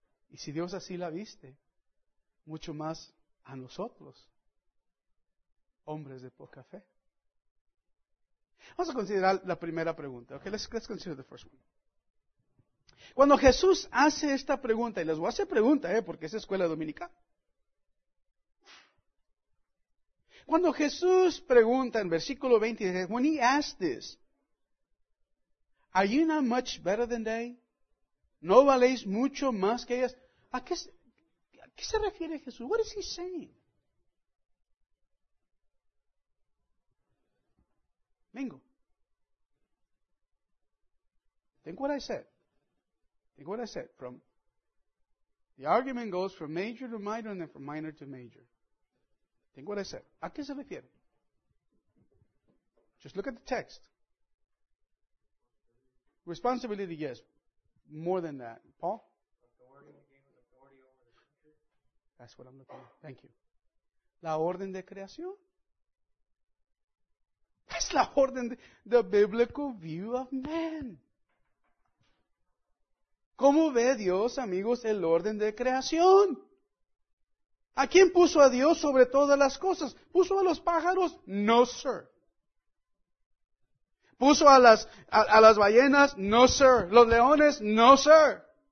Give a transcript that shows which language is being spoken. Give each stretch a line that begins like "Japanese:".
Spanish: Y si Dios así la viste, mucho más a nosotros, hombres de poca fe. Vamos a considerar la primera pregunta.
English: Okay, let's consider the first one.
Spanish: Cuando Jesús hace esta pregunta, y les voy a hacer pregunta, porque es escuela dominical. Cuando Jesús pregunta en versículo 20,
English: when he asked this, are you not much better than they?
Spanish: ¿No valéis mucho más que ellas? ¿A qué se refiere Jesús?
English: What is he saying? Mingo. Think what I said. From the argument goes from major to minor and then from minor to major. Think what I said. ¿A qué se refiere? Just look at the text. Responsibility, yes. More than that. Paul? That's what I'm looking at. Thank you.
Spanish: La orden de creación.
English: That's la orden, the biblical view of man.
Spanish: ¿Cómo ve Dios, amigos, el orden de creación? ¿A quién puso a Dios sobre todas las cosas? ¿Puso a los pájaros?
English: No, sir.
Spanish: ¿Puso a las ballenas?
English: No, sir.
Spanish: ¿Los leones?
English: No, sir.